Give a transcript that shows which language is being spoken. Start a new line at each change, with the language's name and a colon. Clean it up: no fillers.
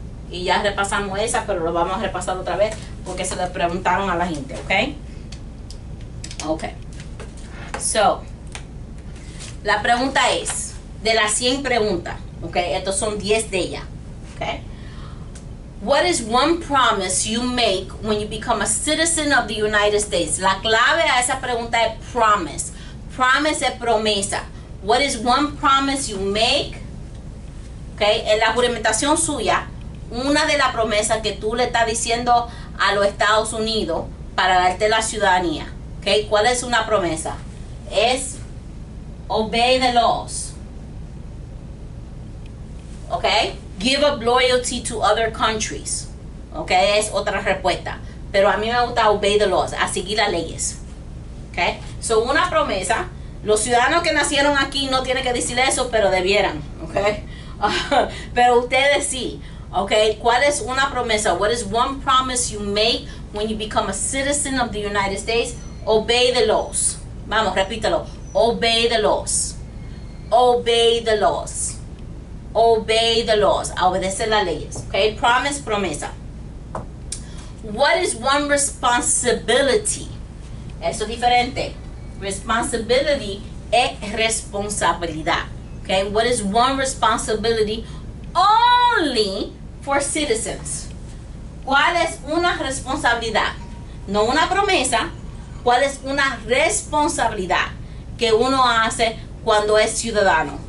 Spanish: Y ya repasamos esa, pero lo vamos a repasar otra vez porque se le preguntaron a la gente, okay? Okay. So, la pregunta es, de las 100 preguntas, okay? Estos son 10 de ellas. Okay.
English: What is one promise you make when you become a citizen of the United States?
Spanish: La clave a esa pregunta es promise. Promise es promesa.
English: What is one promise you make? Okay.
Spanish: En la juramentación suya, una de las promesas que tú le estás diciendo a los Estados Unidos para darte la ciudadanía. Okay. ¿Cuál es una promesa? Es
English: obey the laws. Okay. Give up loyalty to other countries.
Spanish: Okay, es otra respuesta. Pero a mí me gusta
English: obey the laws,
Spanish: a seguir las leyes. Okay, so una promesa. Los ciudadanos que nacieron aquí no tienen que decir eso, pero debieran. Okay, pero ustedes sí. Okay, ¿cuál es una promesa?
English: What is one promise you make when you become a citizen of the United States? Obey the laws.
Spanish: Vamos, repítelo.
English: Obey the laws. Obey the laws. Obey the laws.
Spanish: A obedecer las leyes. Okay. Promise, promesa.
English: What is one responsibility?
Spanish: Eso es diferente. Responsibility es responsabilidad. Ok.
English: Okay, what is one responsibility only for citizens?
Spanish: ¿Cuál es una responsabilidad? No una promesa. ¿Cuál es una responsabilidad que uno hace cuando es ciudadano?